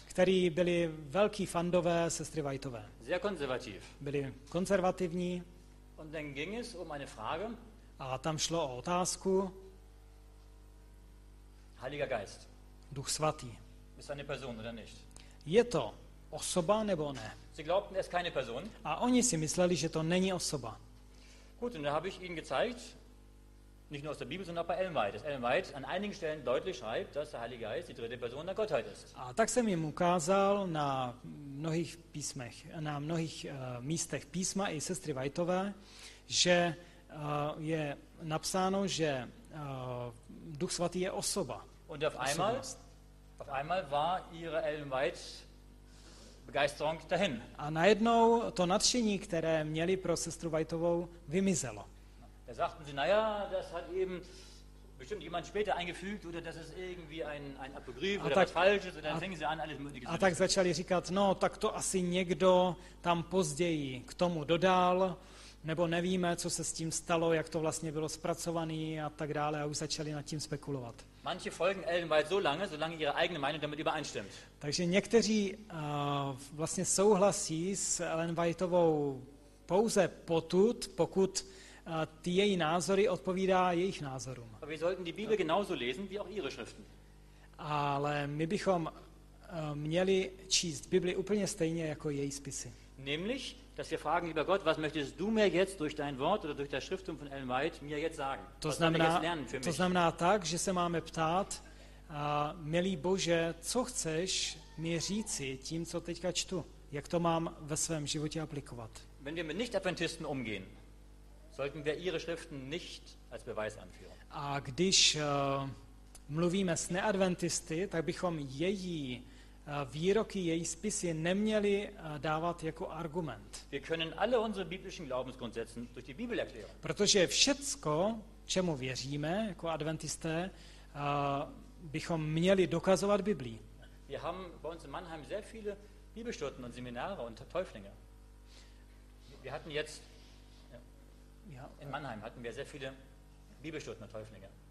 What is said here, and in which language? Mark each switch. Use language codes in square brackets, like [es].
[cs] Který byli velký fandové sestry Whiteové. [de] Sehr konservativ. [cs] Byli konzervativní. [de] Und dann ging es um eine Frage. [cs] A tam šlo o otázku. [de] Heiliger Geist. [cs] Duch svatý. [de] Ist eine Person oder nicht? [cs] Je to osoba nebo ne? [de] Sie glaubten, es ist keine Person. [cs] A oni si mysleli, že to není osoba. [de] Gut, und da habe ich ihnen gezeigt, nicht nur aus der Bibel, sondern auch bei Ellen White, dass Ellen White an einigen Stellen deutlich schreibt, dass der Heilige Geist die dritte Person der Gottheit ist. [cs] A tak jsem jim ukázal na mnohých písmech, na mnohých místech písma i sestry Whiteové, že je napsáno, že Duch svatý je osoba. [de] Und auf einmal war ihre Ellen White Begeisterung dahin. [cs] A najednou to nadšení, které měli pro sestru Whiteovou, vymizelo. [de] Da sagten sie, naja, das hat eben bestimmt jemand später eingefügt oder das ist irgendwie ein Apokryph oder tak, was falsches und dann fangen sie an alles mögliche. [cs] A tak začali říkat, no tak to asi někdo tam později k tomu dodal, nebo nevíme, co se s tím stalo, jak to vlastně bylo zpracované a tak dále, a už začali nad tím spekulovat. [de] Manche folgen Ellen White so lange, solange ihre eigene Meinung damit übereinstimmt. [cs] Takže někteří vlastně souhlasí s Ellen Whiteovou pouze potud, pokud ty její názory odpovídá jejich názorům. [de] Aber wir sollten die Bibel genauso lesen wie auch ihre Schriften. [cs] Ale my bychom měli číst Bibli úplně stejně jako její spisy. [de] Nämlich, dass wir fragen, lieber Gott, was möchtest du mir jetzt durch dein Wort oder durch das Schriftum von Ellen White mir jetzt sagen? [cs] To znamená, tak, že se máme ptát, milý Bože, co chceš mi říci tím, co teďka čtu? Jak to mám ve svém životě aplikovat? [de] Wenn wir mit Nicht-Adventisten umgehen, sollten wir ihre Schriften nicht als Beweis anführen. [cs] A když mluvíme s neadventisty, tak bychom její výroky, její spisy neměli dávat jako argument. [de] Wir können alle unsere biblischen Glaubensgrundsätze durch die Bibel erklären. [cs] Protože všecko, čemu věříme jako adventisté, bychom měli dokazovat Biblí. [de] Wir haben bei uns in Mannheim sehr viele Bibelstunden und Seminare und Täuflinge. Wir hatten jetzt in Mannheim hatten wir sehr viele Bibelstunden und Täuflinge.